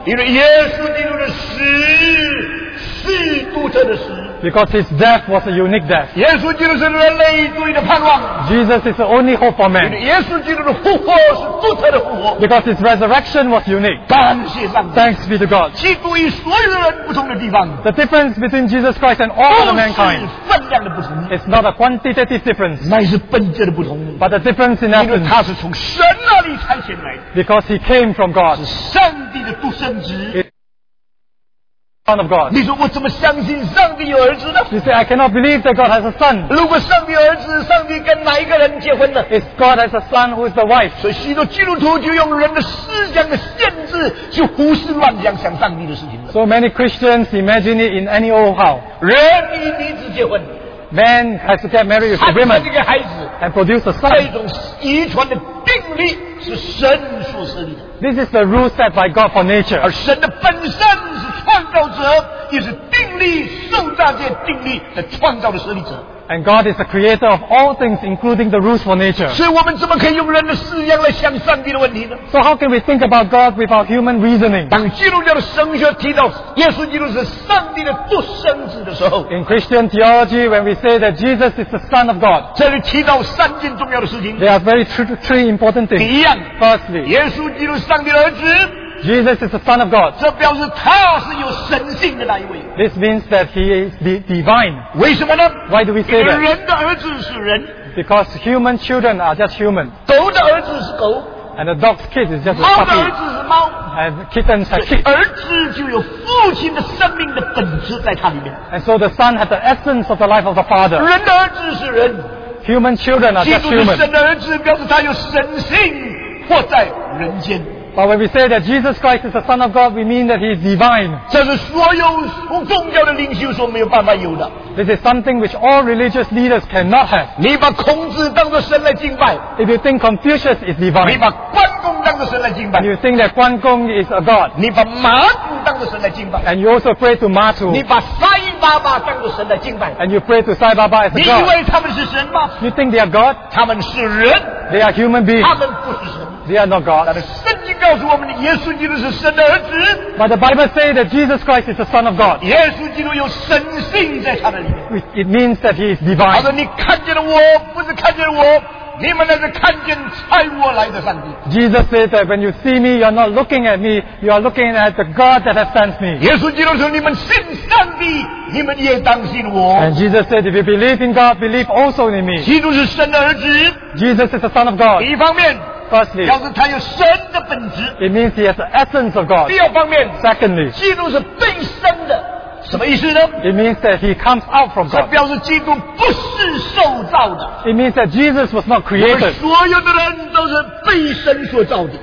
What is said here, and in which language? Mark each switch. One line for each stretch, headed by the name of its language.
Chinese: 因为耶稣基督的死是独特的死。
English: Because his death was a unique death.
Chinese: 耶稣基督是人类独一的盼望。
English: Jesus is the only hope for man.
Chinese: 耶稣基督的复活是独特的复活。
English: Because his resurrection was unique.
Chinese: 感谢上帝。
English: Thanks be to God.
Chinese: 基督与所有人不同的地方。
English: The difference between Jesus Christ and all of mankind.
Chinese: 都是分量的不同。
English: It's not a quantitative difference.
Chinese: 乃是本质的不同。
English: But the difference in essence.
Chinese: 因为他是从神那里差遣来的。
English: Because he came from God.
Chinese: 是上帝的独生子。
English: Son of God.
Chinese: 你说我怎么相信上帝有儿子呢？
English: You say I cannot believe that God has a son.
Chinese: 如果上帝有儿子，上帝跟哪一个人结婚呢？
English: If God has a son, who is the wife?
Chinese: 所以许多基督徒就用人的思想的限制去胡思乱想想上帝的事情了。
English: So many Christians imagine it in any old how.
Chinese: 人以女子结婚。
English: Man has to get married with a woman and produce a son.
Chinese: 这种遗传的定律是神所设立的。
English: This is the rule set by God for nature.
Chinese: 而神的本身是创造者，也是定律受大界定律的创造的设立者。
English: And God is the creator of all things, including the rules for nature.
Chinese: 所以我们怎么可以用人的思想来想上帝的问题呢？
English: So how can we think about God with our human reasoning?
Chinese: 当基督教的神学提到耶稣基督是上帝的独生子的时候，
English: In Christian theology, when we say that Jesus is the Son of God,
Chinese: 这里提到三件重要的事情。
English: There are very three important things.
Chinese: 第一样，
English: Firstly,
Chinese: 耶稣基督是上帝的儿子。
English: Jesus is the Son of God.
Chinese: 这表示他是有神性的那一位。
English: This means that he is divine.
Chinese: 为什么呢？
English: Why do we say that?
Chinese: 人的儿子是人。
English: Because human children are just human.
Chinese: 狗的儿子是狗。
English: And a dog's kid is just a
Chinese: puppy. 猫的儿子是猫。
English: And kittens are kittens.
Chinese: 儿子就有父亲的生命的本质在他里面。
English: And so the son has the essence of the life of the father.
Chinese: 人的儿子是人。
English: Human children are just human.
Chinese: 基督的神的儿子表示他有神性活在人间。
English: But when we say that Jesus Christ is the Son of God, we mean that He is divine.
Chinese: 这是所有宗教的领袖所没有办法有的。
English: This is something which all religious leaders cannot have.
Chinese: 你把孔子当作神来敬拜。
English: If you think Confucius is divine.
Chinese: 你把关公当作神来敬拜。
English: You think that 关公 is a god.
Chinese: 你把马祖当作神来敬拜。
English: And you also pray to 马祖。
Chinese: 你把塞巴巴当作神来敬拜。
English: And you pray to 塞巴巴 as a god.
Chinese: 你以为他们是神吗？
English: You think they are god?
Chinese: 他们是人。
English: They are human beings.
Chinese: 他们不是神。
English: They are not God.
Chinese: 但是圣经告诉我们，耶稣基督是神的儿子。
English: But the Bible says that Jesus Christ is the Son of God.
Chinese: 耶稣基督有神性在他的里面。
English: It means that he is divine.
Chinese: 他说：“你看见了我，不是看见我，你们乃是看见差我来的上帝。”
English: Jesus says that when you see me, you are not looking at me, you are looking at the God that has sent me.
Chinese: 耶稣基督说：“你们信上帝，你们也当信我。”
English: And Jesus said, if you believe in God, believe also in me.
Chinese: 基督是神的儿子。
English: Jesus is the Son of God.
Chinese: 一方面。
English: Firstly,
Chinese: 表示他有神的本质。
English: It means he has the essence of God.
Chinese: 第二方面。
English: Secondly,
Chinese: 基督是被生的。什么意思呢？
English: It means that he comes out from God.
Chinese: 这表示基督不是受造的。
English: It means that Jesus was not created.
Chinese: 我们所有的人都是被生所造的。